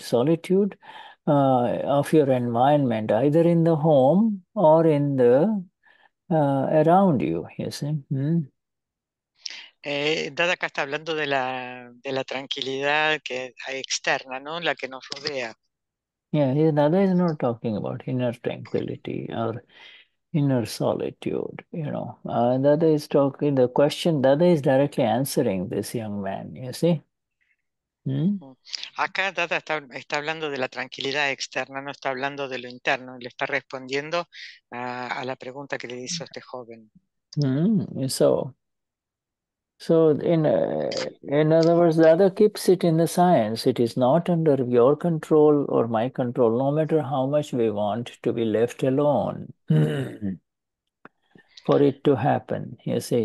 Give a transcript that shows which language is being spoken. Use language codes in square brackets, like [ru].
[en] Solitude of your environment, either in the home or in the around you, you see. [es] Dada acá está hablando de la tranquilidad que hay externa, ¿no? La que nos rodea. [en] Yeah, Dada is not talking about inner tranquility or inner solitude, you know. Dada is talking, the question, Dada is directly answering this young man, you see. [es] Acá Dada está hablando de la tranquilidad externa, no está hablando de lo interno, le está respondiendo a la pregunta que le hizo este joven. [en] So in other words, Dada keeps it in the science. It is not under your control or my control, no matter how much we want to be left alone for it to happen, you see.